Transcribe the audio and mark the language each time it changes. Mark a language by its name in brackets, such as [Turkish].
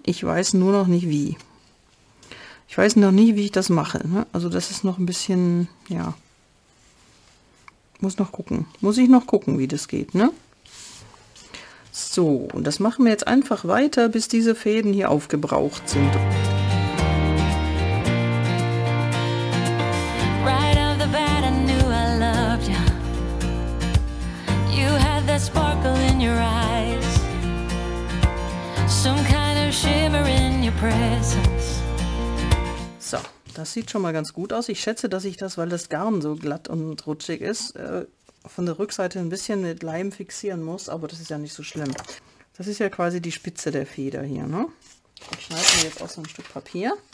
[German] Ich weiß nur noch nicht, wie. Ich weiß noch nie, wie ich das mache. Ne? Also das ist noch ein bisschen, ja, muss noch gucken. Muss ich noch gucken, wie das geht. Ne? So, und das machen wir jetzt einfach weiter, bis diese Fäden hier aufgebraucht sind. [English] Right off the bat, I knew I loved you. You had that sparkle in your eyes. Some kind of shimmer in your presence. [German] So, das sieht schon mal ganz gut aus. Ich schätze, dass ich das, weil das Garn so glatt und rutschig ist, von der Rückseite ein bisschen mit Leim fixieren muss, aber das ist ja nicht so schlimm. Das ist ja quasi die Spitze der Feder hier, ne? Ich schneide mir jetzt auch so ein Stück Papier.